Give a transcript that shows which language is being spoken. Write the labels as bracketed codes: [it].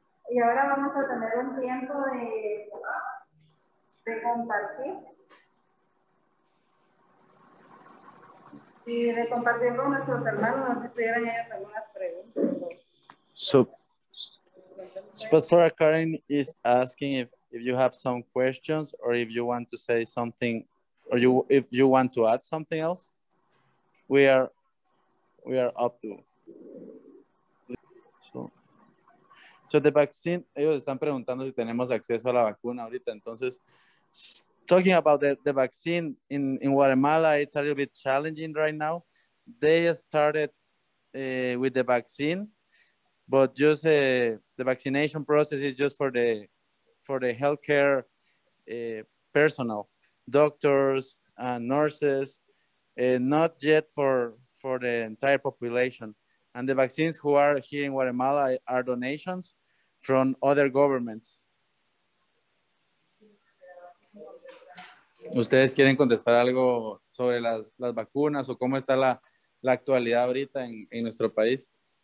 [es] Y ahora vamos a tener un tiempo de compartir. Y de compartir con nuestros hermanos, no sé si tuvieran ellos algunas preguntas. [en] So Pastor Karen is asking if you have some questions or if you want to say something or you if you want to add something else. We are up to. So the vaccine, [es] ellos están preguntando si tenemos acceso a la vacuna ahorita. Entonces, [en] talking about the vaccine in Guatemala, it's a little bit challenging right now. They started with the vaccine, but just the vaccination process is just for the healthcare personnel, doctors and nurses, not yet for the entire population. And the vaccines who are here in Guatemala are donations from other governments. [es] ¿Ustedes quieren contestar algo sobre las vacunas o cómo está la actualidad ahorita en nuestro país?